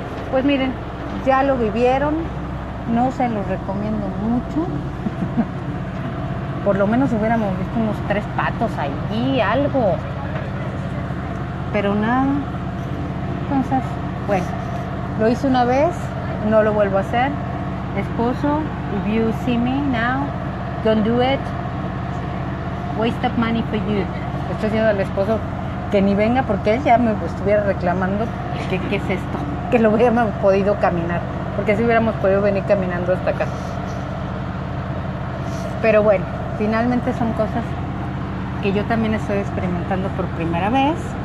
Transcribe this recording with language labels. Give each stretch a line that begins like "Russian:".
Spanish: Pues miren, ya lo vivieron. No se los recomiendo mucho. Por lo menos hubiéramos visto unos 3 patos allí, algo. Pero nada. Entonces, bueno, lo hice una vez, no lo vuelvo a hacer.
English: Esposo, if you see me now, don't do it. Waste of money for you.
Spanish: Estoy diciendo al esposo que ni venga porque él ya me estuviera reclamando. ¿Qué es esto? Que lo hubiéramos podido caminar. Porque si hubiéramos podido venir caminando hasta acá. Pero bueno, finalmente son cosas que yo también estoy experimentando por primera vez.